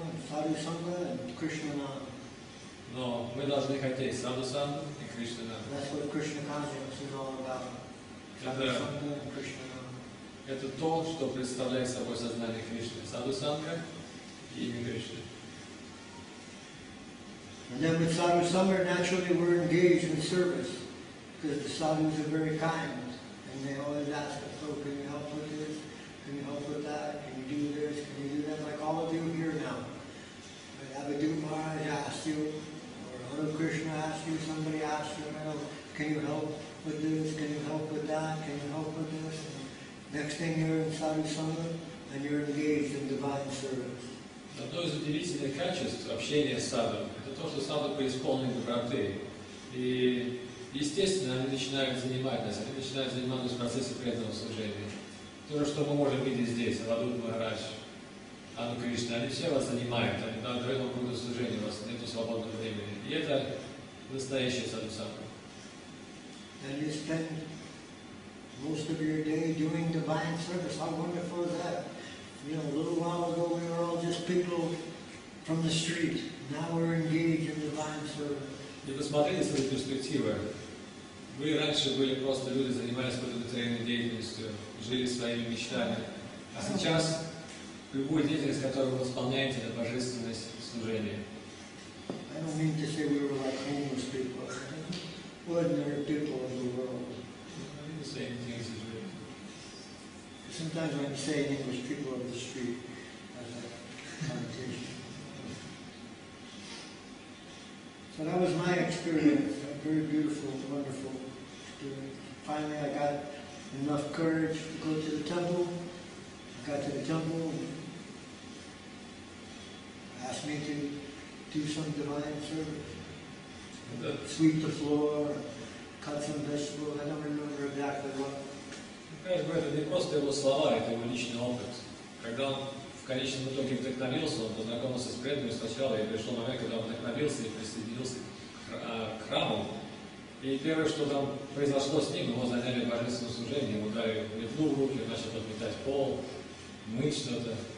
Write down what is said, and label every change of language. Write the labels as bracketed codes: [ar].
[en] Sadhu Sangha and Krishna Nam. [ru] Но мы должны хотеть Sadhu Sangha и Krishna Nam. [en] That's what Krishna consciousness is all about. [ru] Это то, что представляет собой сознание Кришны, Садху-санга и имя Кришны. [en] And then with Sadhu-sangha, naturally we're engaged in service, because the sadhus are very kind, and they always ask us, oh, can you help with this? Can you help with that? Can you do this? Can you do that? Like all of you here now. Abhidhuma Maharaj asked you, or Hare Krishna asked you, somebody asked you, oh, can you help with this? Can you help with that? Can you help with this? And next thing you're in Sadhu-sangha, and you're engaged in divine service. [ru] Одно из удивительных качеств общения с саду – это то, что саду преисполнен доброты. И, естественно, они начинают занимать нас, они начинают заниматься процессом преданного служения. То же, что мы можем видеть здесь, Авадут Махарадж, Анна Кришна, они все вас занимают, они дают вам преданное служение, у вас нет свободного времени. И это настоящее саду саду. [en] You know, a little while ago we were all just people from the street. Now we're engaged in divine service. [ru] И посмотрите с этой перспективы. Вы раньше были просто люди, занимались продуктивной деятельностью, жили своими мечтами. А сейчас любую деятельность, которую вы исполняете, это божественность служения. [en] I don't mean to say we were like homeless people. Ordinary people of the world. I didn't say anything as well. Sometimes when I'm saying English, people on the street have a connotation. So that was my experience, a very beautiful, wonderful experience. Finally, I got enough courage to go to the temple. I got to the temple and asked me to do some divine service. Sweep the floor, cut some vegetables. I don't remember exactly what. [ru] Конечно, это не просто его слова, это его личный опыт. Когда он в конечном итоге вдохновился, он познакомился с преданными сначала, и пришел момент, когда он вдохновился и присоединился к храму. И первое, что там произошло с ним, его заняли в божественном служении, ему дали метлу в руки, он начал подметать пол, мыть что-то.